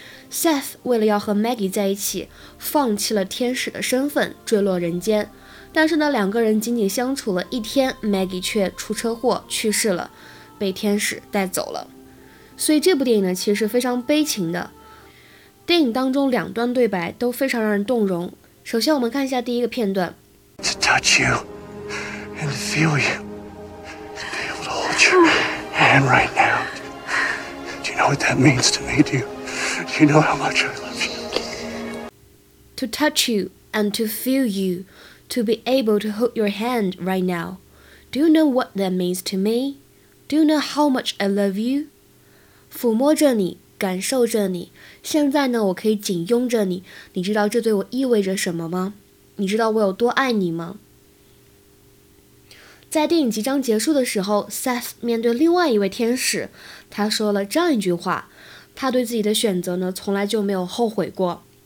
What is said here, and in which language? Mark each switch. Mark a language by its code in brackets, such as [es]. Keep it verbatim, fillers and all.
[zh] Seth 为了要和 Maggie 在一起，放弃了天使的身份，坠落人间。但是呢，两个人仅仅相处了一天， Maggie 却出车祸去世了，被天使带走了。所以这部电影呢，其实是非常悲情的。电影当中两段对白都非常让人动容。首先我们看一下第一个片段， [en] To touch you and feel you to be able to hold your hand right now. You know what that means to me, do you? Do you know how much I love you? To touch you and to feel you, to be able to hold your hand right now. Do you know what that means to me? Do you know how much I love you? [zh] 抚摸着你，感受着你，现在呢，我可以紧拥着你，你知道这对我意味着什么吗？你知道我有多爱你吗？在电影即将结束的时候， Seth 面对另外一位天使，他说了这样一句话，他对自己的选择呢，从来就没有后悔过。